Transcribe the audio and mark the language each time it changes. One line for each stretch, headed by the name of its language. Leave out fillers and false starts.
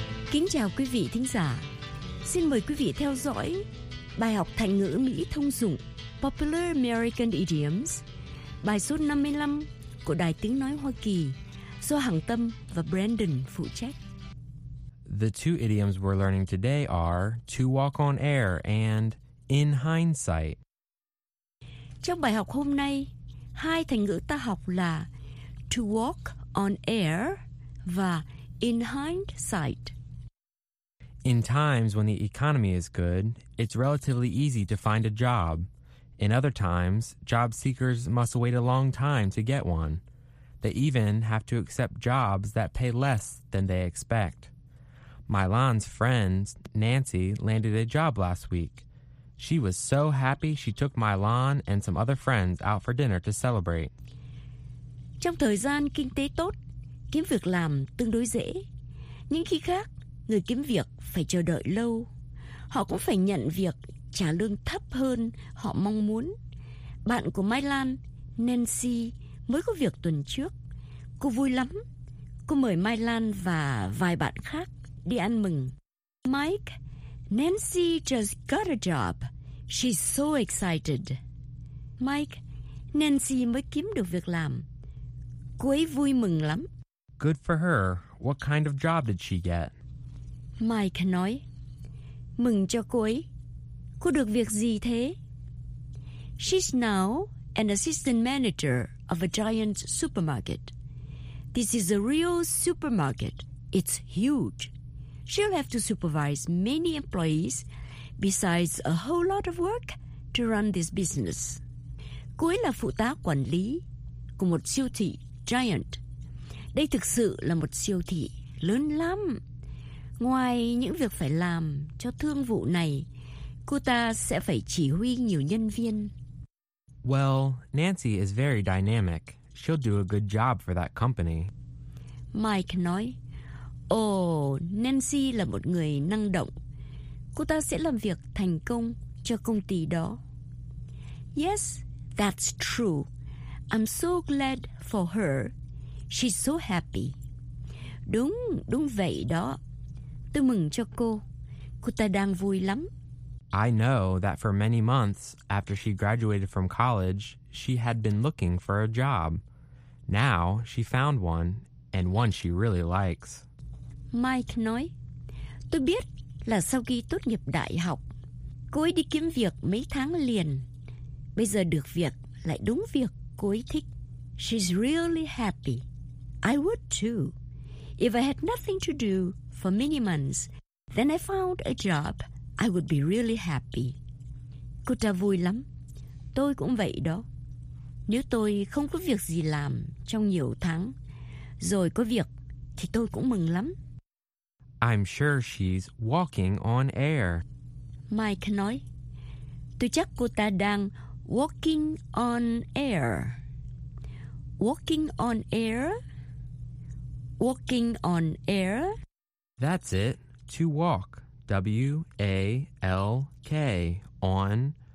Vietnamese: Kính chào quý vị thính giả. Xin mời quý vị theo dõi bài học thành ngữ Mỹ thông dụng
English: Popular American Idioms,
Vietnamese: bài số 55 của Đài Tiếng Nói Hoa Kỳ do Hằng Tâm và Brandon phụ trách.
English: The two idioms we're learning today are to walk on air and in hindsight.
Vietnamese: Trong bài học hôm nay, hai thành ngữ ta học là
English: to walk on air
Vietnamese: và
English: in hindsight. In times when the economy is good, it's relatively easy to find a job. In other times, job seekers must wait a long time to get one. They even have to accept jobs that pay less than they expect. Milan's friend, Nancy, landed a job last week. She was so happy she took Milan and some other friends out for dinner to celebrate.
Vietnamese: Trong thời gian kinh tế tốt, kiếm việc làm tương đối dễ. Những khi khác, người kiếm việc phải chờ đợi lâu. Họ cũng phải nhận việc trả lương thấp hơn họ mong muốn. Bạn của Milan, Nancy, mới có việc tuần trước. Cô vui lắm. Cô mời Milan và vài bạn khác đi ăn mừng.
English: Mike, Nancy just got a job. She's so excited.
Vietnamese: Mike, Nancy mới kiếm được việc làm. Cô ấy vui mừng lắm.
English: Good for her. What kind of job did she get?
Vietnamese: Mike nói, mừng cho cô ấy. Cô được việc gì thế?
English: She's now an assistant manager of a giant supermarket. This is a real supermarket. It's huge. She'll have to supervise many employees besides a whole lot of work to run this business.
Vietnamese: Cô ấy là phụ tá quản lý của một siêu thị giant. Đây thực sự là một siêu thị lớn lắm. Ngoài những việc phải làm cho thương vụ này, cô ta sẽ phải chỉ huy nhiều nhân viên.
English: Well, Nancy is very dynamic. She'll do a good job for that company.
Vietnamese: Mike nói, Nancy là một người năng động. Cô ta sẽ làm việc thành công cho công ty đó.
English: Yes, that's true. I'm so glad for her. She's so happy.
Vietnamese: Đúng, đúng vậy đó. Tôi mừng cho cô. Cô ta đang vui lắm.
English: I know that for many months after she graduated from college, she had been looking for a job. Now she found one, and one she really likes.
Vietnamese: Mike nói, tôi biết là sau khi tốt nghiệp đại học, cô ấy đi kiếm việc mấy tháng liền. Bây giờ được việc lại đúng việc cô ấy thích.
English: She's really happy. I would too. If I had nothing to do for many months, then I found a job, I would be really happy.
Vietnamese: Cô ta vui lắm. Tôi cũng vậy đó. Nếu tôi không có việc gì làm trong nhiều tháng, rồi có việc, thì tôi cũng mừng lắm.
English: I'm sure she's walking on air.
Vietnamese: Mike nói, tôi chắc cô ta đang
English: walking on air. Walking on air? Walking on air? That's it. To walk. W-A-L-K. On.